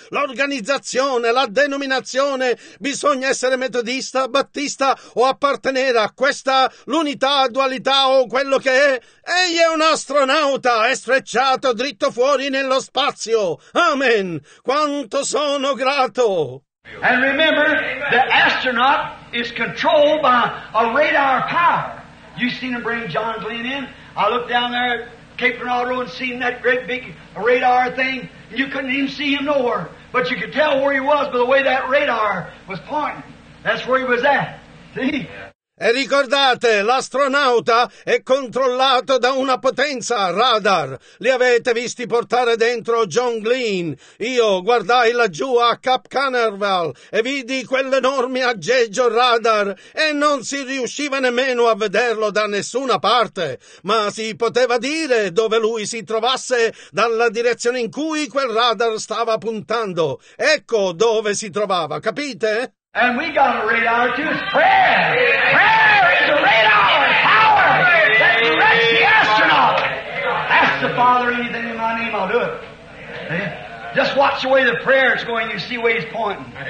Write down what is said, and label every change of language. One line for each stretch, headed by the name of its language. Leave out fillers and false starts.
Italian: L'organizzazione, la denominazione, bisogna essere metodista, battista o appartenere a questa, l'unità, dualità o quello che è. Egli è un astronauta, è sfrecciato dritto fuori nello spazio. Amen. Quanto sono grato.
English: And remember, the astronaut is controlled by a radar power. You've seen him bring John Glenn in. I looked down there at Cape Canaveral and seen that great big radar thing. You couldn't even see him nowhere. But you could tell where he was by the way that radar was pointing. That's where he was at. See?
Italian: E ricordate, l'astronauta è controllato da una potenza radar. Li avete visti portare dentro John Glenn. Io guardai laggiù a Cap Canaveral e vidi quell'enorme aggeggio radar e non si riusciva nemmeno a vederlo da nessuna parte. Ma si poteva dire dove lui si trovasse dalla direzione in cui quel radar stava puntando. Ecco dove si trovava, capite?
English: And we got a radar too. Prayer! Prayer is a radar power that directs the astronaut. Ask the Father anything in my name, I'll do it. Just watch the way the prayer is going, you see where he's pointing.